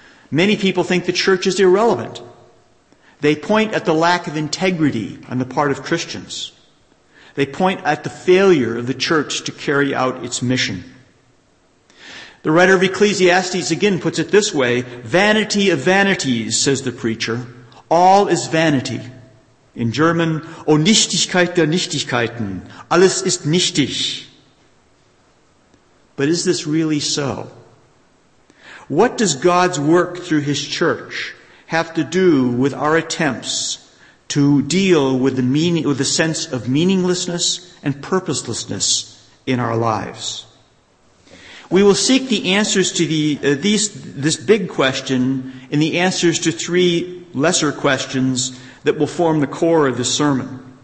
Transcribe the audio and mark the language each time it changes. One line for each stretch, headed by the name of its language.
English: Many people think the church is irrelevant. They point at the lack of integrity on the part of Christians. They point at the failure of the church to carry out its mission. The writer of Ecclesiastes again puts it this way, vanity of vanities, says the preacher, all is vanity. In German,
German: O Nichtigkeit der Nichtigkeiten, alles ist nichtig.
English: But is this really so? What does God's work through his church have to do with our attempts to deal with the meaning, with the sense of meaninglessness and purposelessness in our lives? We will seek the answers to this big question in the answers to three lesser questions that will form the core of this sermon.